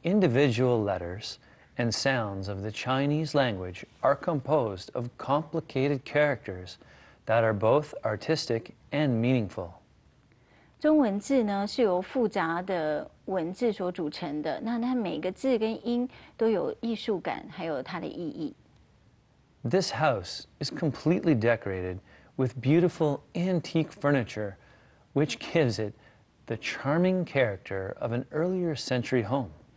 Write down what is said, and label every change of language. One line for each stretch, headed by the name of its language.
English: individual letters and sounds of the Chinese language are composed of complicated characters that are both artistic and meaningful.
Chinese: 中文字呢是由复杂的文字所组成的，那它每个字跟音都有艺术感，还有它的意义。This
English: house is completely decorated with beautiful antique furniture, which gives it the charming character of an earlier century home.